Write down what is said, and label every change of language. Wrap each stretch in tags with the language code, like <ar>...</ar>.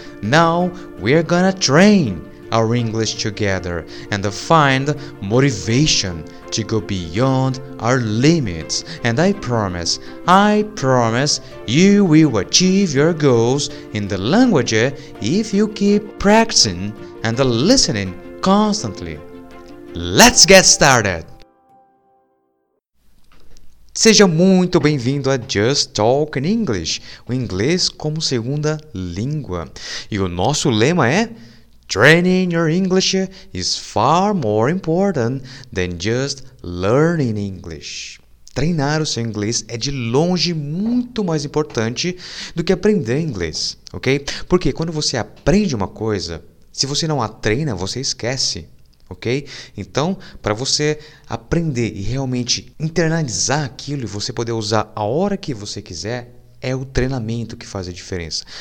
<en>Now, we're gonna train our English together and find motivation to go beyond our limits. And I promise you will achieve your goals in the language if you keep practicing and listening constantly. Let's get started!</en> <pt>Seja muito bem-vindo a Just Talk in English, o inglês como segunda língua. E o nosso lema é:</pt> <en>Training your English is far more important than just learning English.</en> <pt>Treinar o seu inglês é de longe muito mais importante do que aprender inglês, ok? Porque quando você aprende uma coisa, se você não a treina, você esquece. Ok? Então, para você aprender e realmente internalizar aquilo e você poder usar a hora que você quiser, é o treinamento que faz a diferença.</pt>